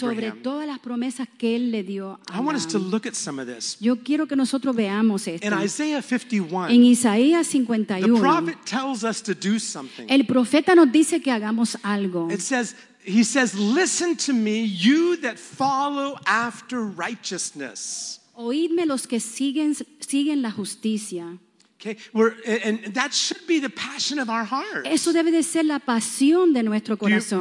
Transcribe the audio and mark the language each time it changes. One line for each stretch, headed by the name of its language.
Spanish: Sobre todas las promesas que él le dio a Abraham.
English: I want us to look at some of this.
Spanish: Yo quiero que nosotros veamos esto.
English: In Isaiah 51.
Spanish: En Isaías 51.
English: The prophet tells us to do something.
Spanish: El profeta nos dice que hagamos algo.
English: It says, he says, "Listen to me, you that follow after righteousness."
Spanish: Oídme los que siguen la justicia.
English: Okay, and that should be the passion of our heart.
Spanish: Eso debe de ser la pasión de nuestro corazón.